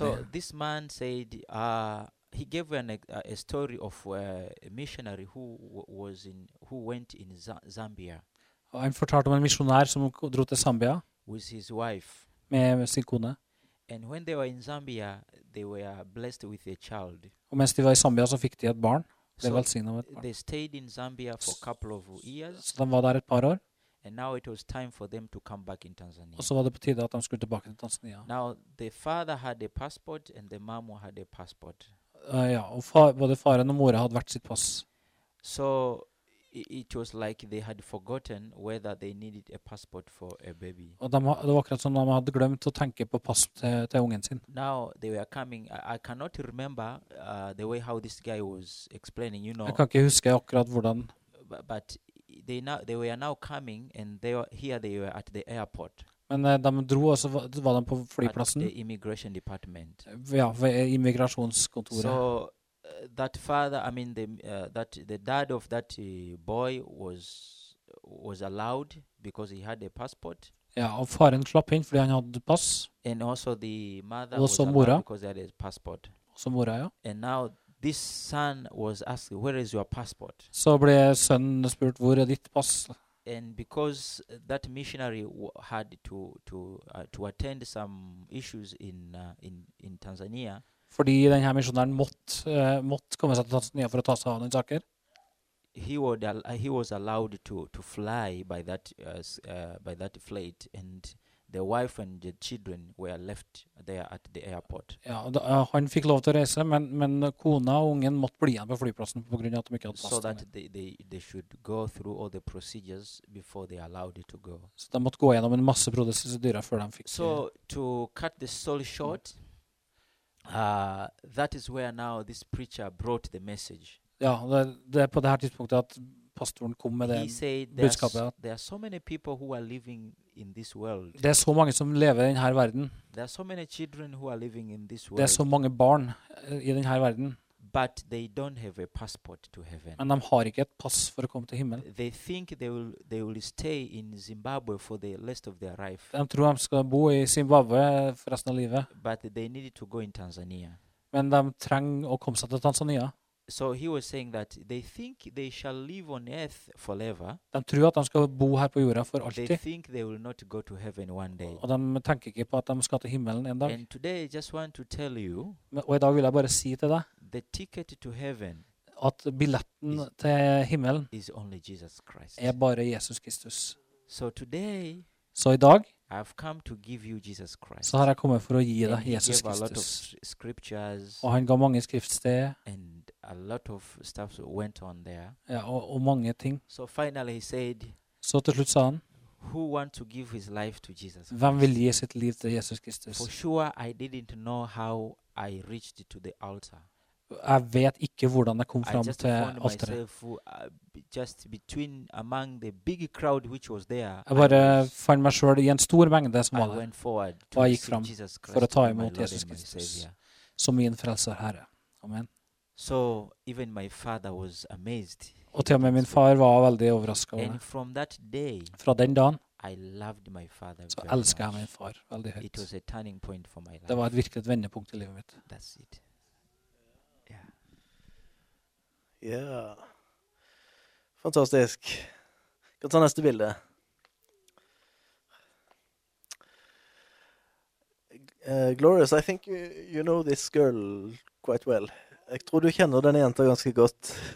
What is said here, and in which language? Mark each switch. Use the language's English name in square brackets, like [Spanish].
[English] So this man said, he gave a story of a missionary who went in Zambia. [Norwegian] Han fortalte om en misjonær som dro til Zambia. [English] With his wife. [Norwegian] Med sin kone. [English] And when they were in Zambia, they were blessed with a child. [Norwegian] Og mens de var i Zambia, så fikk de et barn. Det var velsignet med et barn. [English] They stayed in Zambia for a couple of years. [Norwegian] Så de var der et par år. [English] And now it was time for them to come back in Tanzania. [Norwegian] Og så var det på tide at de skulle tilbake til Tanzania. [English] Now, the father had a passport and the mom had a passport. [Norwegian] Ja, og både faren og moren hadde vært sitt pass. [English] So it was like they had forgotten whether they needed a passport for a baby. [Norwegian] Og det var akkurat som de hadde glemt å tenke på pass til ungen sin. [English] Now they were coming. I cannot remember the way how this guy was explaining, you know. [Norwegian] Jeg kan ikke huske akkurat hvordan. [English] But they were now coming and they were here they were at the airport. [Norwegian] Men de dro, og så var de på flyplassen. [English] At the immigration department. [Norwegian] Ja, ved immigrasjonskontoret. [English] So, that father, I mean, the dad of that boy was allowed because he had a passport. [Norwegian] Ja, og faren slapp inn fordi han hadde pass. [English] And also the mother was allowed because he had a passport. [Norwegian] Også mora, ja. [English] And now this son was asked, where is your passport? [Norwegian] Så ble sønnen spurt, hvor ditt pass? [English] And because that missionary had to attend some issues in Tanzania. [Norwegian] Fordi den her misjonæren måtte komme seg til Tanzania for å ta seg av noen saker. [English] He was allowed to fly by that flight, and the wife and the children were left there at the airport. [Norwegian] Ja, da, han fikk lov til å reise, men men kona og ungen måtte bli igjen på flyplassen på grunn av at de ikke hadde plass. [English] So that they should go through all the procedures before they allowed it to go. [Norwegian] Så de måtte gå gjennom en masse prosedyrer før de fikk. [English] So to cut the story short, that is where now this preacher brought the message. [Norwegian] Ja, det på det her tidspunktet at pastoren kom med det budskapet. [English] There are so many people who are living in this world. [Norwegian] Det så mange som lever I den her verden. [English] There are so many children who are living in this world. [Norwegian] Det så mange barn I den her verden. [English] But they don't have a passport to heaven. [Norwegian] Men de har ikke et pass for å komme til himmelen. [English] They think they will stay in Zimbabwe for the rest of their life. [Norwegian] De tror de skal bo I Zimbabwe for resten av livet. [English] But they needed to go in Tanzania. [Norwegian] Men de trenger å komme seg til Tanzania. [English] So he was saying that they think they shall live on earth forever. [Norwegian] De tror at de skal bo her på jorda for alltid. [English] They think they will not go to heaven one day. [Norwegian] Og de tenker ikke på at de skal til himmelen en dag. [English] And today I just want to tell you. [Norwegian] Og I dag vil jeg bare si til deg. [English] The ticket to heaven. [Norwegian] At billetten til himmelen. [English] Is only Jesus Christ. [Norwegian] Bare Jesus Kristus. [English] So today. [Norwegian] Så I dag. [English] I've come to give you Jesus Christ. [Norwegian] Så har jeg kommet for å gi deg Jesus Kristus. [English] Scriptures. [Norwegian] Og han ga mange skriftsteder. [English] And a lot of stuff went on there. [Norwegian] Ja, og mange ting. [English] So finally he said. [Norwegian] Så til slutt sa han. [English] Who want to give his life to Jesus? [Norwegian] Hvem vil gi sitt liv til Jesus Kristus? [English] For sure I didn't know how I reached to the altar. [Norwegian] Jeg vet ikke hvordan jeg kom fram til alteret. [English] Just between among the big crowd which was there. [Norwegian] Jeg bare fant meg selv I en stor mengde som var [English] der. I went forward [Norwegian] to og jeg gikk fram for å ta imot Jesus Kristus som min frelser Herre. [English] Amen. So even my father was amazed. [Norwegian] Og til og med min far var veldig overrasket [English] over. And from that day. [Norwegian] Fra den dagen. [English] I loved my father. [Norwegian] Så elsket jeg min far veldig høyt. [English] It was a turning point for my life. [Norwegian] Det var et virkelig vendepunkt I livet mitt. [English] That's it. [Norwegian] Ja, fantastisk. Kan ta neste bilde. [English] Glorious, I think you know this girl quite well. [Norwegian] Jeg tror du kjenner denne jenta ganske godt.